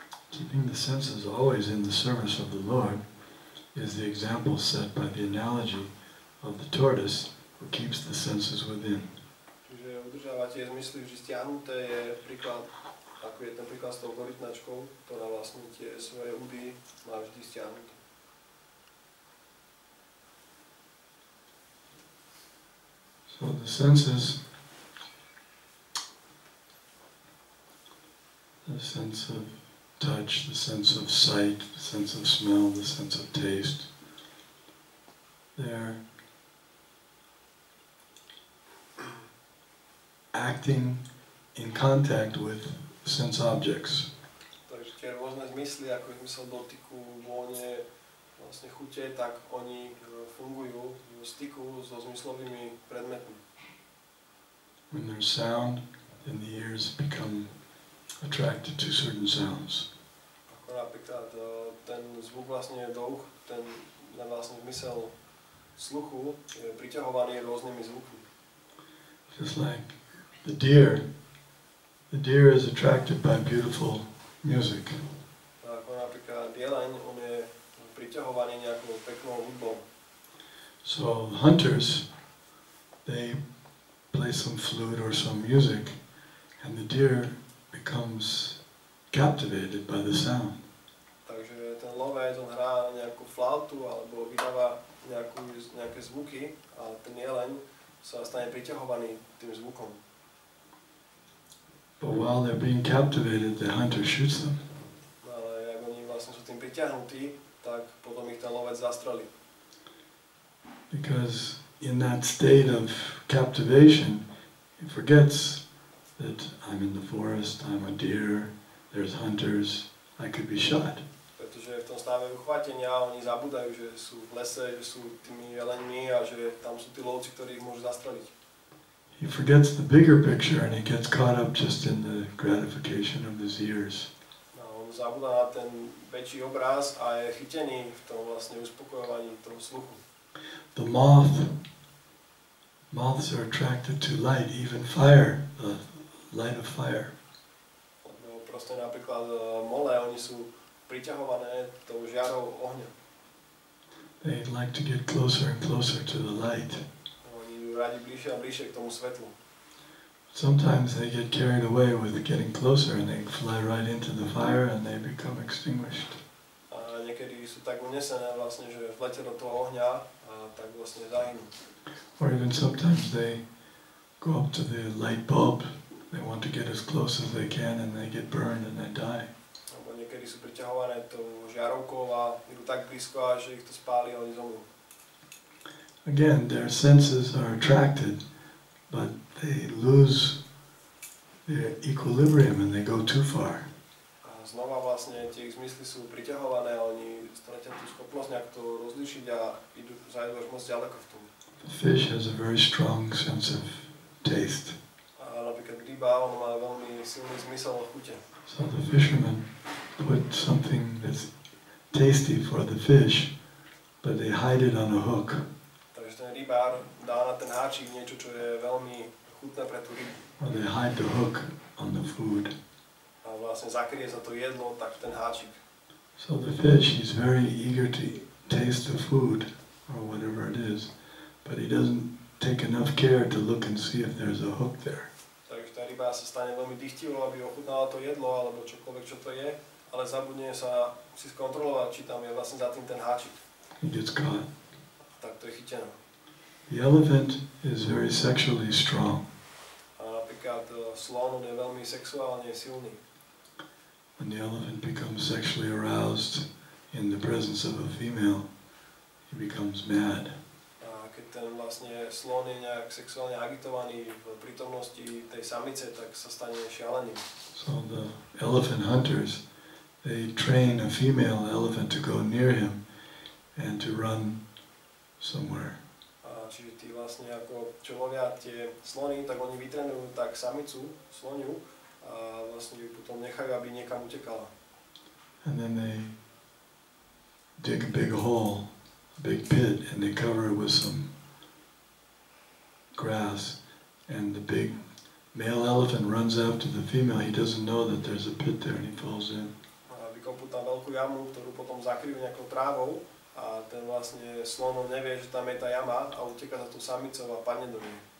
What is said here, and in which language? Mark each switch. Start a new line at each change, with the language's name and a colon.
English: Keeping the senses always in the service of the Lord is the example set by the analogy of the tortoise who keeps the senses within.
Slovak: Čiže udržávať tie zmysly vždy stiahnuté je príklad, ako je ten príklad s tou korytnačkou, ktorá vlastne tie svoje údy má vždy stiahnuté.
English: So the senses, the sense of touch, the sense of sight, the sense of smell, the sense of taste, they're acting in contact with sense objects.
Slovak: Takže tie rôzne zmysly, ako je zmysel dotyku, vône, vlastne chute, tak oni fungujú v styku so zmyslovými predmetmi.
English: When there's sound, then the ears become attracted to certain sounds.
Slovak: Ako napríklad ten zvuk vlastne je do uch, ten na vlastne zmysel sluchu je priťahovaný rôznymi zvukmi.
English: Just like the deer. The deer is attracted by beautiful music.
Slovak: Ako napríklad jeleň, on je priťahovaný nejakou peknou hudbou.
English: So hunters, they play some flute or some music and the deer becomes captivated by the sound.
Slovak: Takže ten lovec, on hrá nejakú flautu alebo vydáva nejaké zvuky a ten jeleň sa stane priťahovaný tým zvukom.
English: But while they're being captivated, the hunter shoots them.
Slovak: Ale ak oni vlastne sú tým priťahnutí, tak potom ich ten lovec zastrelí.
English: Because in that state of captivation, he forgets that I'm in the forest, I'm a deer, there's hunters, I could be shot.
Slovak: Pretože v tom stave uchvatenia oni zabudajú, že sú v lese, že sú tými jeleňmi a že tam sú tí lovci, ktorí ich môžu zastreliť.
English: He forgets the bigger picture and he gets caught up just in the gratification of his ears.
Slovak: No, on zabudá na ten väčší obraz a je chytený v tom vlastne uspokojovaní toho sluchu.
English: The moth, moths are attracted to light, even fire, the light of fire.
Slovak: No, proste napríklad mole, oni sú priťahované tou žiarou ohňa.
English: They'd like to get closer and closer to the light.
Slovak: Oni idú radi bližšie a bližšie k tomu svetlu.
English: Sometimes they get carried away with getting closer and they fly right into the fire and they become extinguished.
Slovak: A niekedy sú tak unesené vlastne, že vletia do toho ohňa. Tak vlastne zahynú.
English: Or even sometimes they go up to the light bulb, they want to get as close as they can and they get burned and they die.
Slovak: Alebo niekedy sú priťahované tou žiarovkou a idú tak blízko, že ich to spáli a oni zomrú.
English: Again, their senses are attracted, but they lose their equilibrium and they go too far.
Slovak: A znova vlastne tie ich zmysly sú priťahované, oni stratia tú schopnosť nejak to rozlíšiť a idú zajedú až moc ďaleko v tom.
English: The fish has a very strong sense of taste.
Slovak: A napríklad ryba, ono má veľmi silný zmysel o chute.
English: So the fishermen put something that's tasty for the fish, but they hide it on a hook.
Slovak: Takže ten rybár dá na ten háčik niečo, čo je veľmi chutné pre tú rybu.
English: Or they hide the hook on the food.
Slovak: A vlastne zakrie sa to jedlo, tak ten háčik.
English: So the fish, he's very eager to taste the food, or whatever it is, but he doesn't take enough care to look and see if there's a hook there.
Slovak: Takže tá ryba sa stane veľmi dychtivou, aby ochutnala to jedlo, alebo čokoľvek, čo to je, ale zabudne sa si skontrolovať, či tam je vlastne za tým ten háčik.
English: He gets caught.
Slovak: Tak to je chytené.
English: The elephant is very sexually strong.
Slovak: A napríklad slon, on je veľmi sexuálne silný.
English: When the elephant becomes sexually aroused in the presence of a female, he becomes mad.
Slovak: A keď ten vlastne slon je nejak sexuálne agitovaný v prítomnosti tej samice, tak sa stane šialeným.
English: So the elephant hunters, they train a female elephant to go near him and to run somewhere.
Slovak: A čiže tí vlastne ako čo lovia tie slony, tak oni vytrenujú tak samicu, sloniu, a vlastne ju potom nechajú, aby niekam utekala.
English: And then they dig a big hole, a big pit, and they cover it with some grass. And the big male elephant runs after the female. He doesn't know that there's a pit there and he falls in.
Slovak: A aby vykopú tam veľkú jamu, ktorú potom zakrývajú nejakou trávou a ten vlastne slon nevie, že tam je tá jama a uteká za tú samicou a padne do nej.